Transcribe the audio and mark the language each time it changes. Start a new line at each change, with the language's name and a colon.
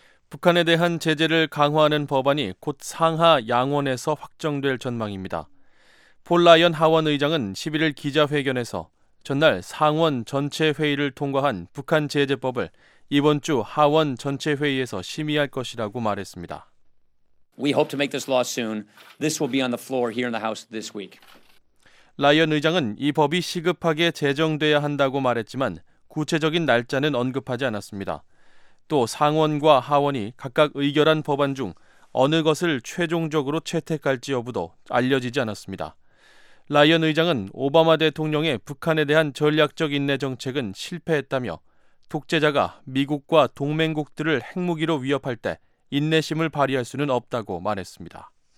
Korean: 북한에 대한 제재를 강화하는 법안이 곧 상하 양원에서 확정될 전망입니다. 폴 라이언 하원 의장은 11일 기자회견에서 전날 상원 전체 회의를 통과한 북한 제재법을 이번 주 하원 전체 회의에서 심의할 것이라고 말했습니다.
English: We hope to make this law soon. This will be on the floor here in the House this week.
Korean: 라이언 의장은 이 법이 시급하게 제정돼야 한다고 말했지만 구체적인 날짜는 언급하지 않았습니다. 또 상원과 하원이 각각 의결한 법안 중 어느 것을 최종적으로 채택할지 여부도 알려지지 않았습니다. 라이언 의장은 오바마 대통령의 북한에 대한 전략적 인내 정책은 실패했다며 독재자가 미국과 동맹국들을 핵무기로 위협할 때 인내심을 발휘할 수는 없다고 말했습니다.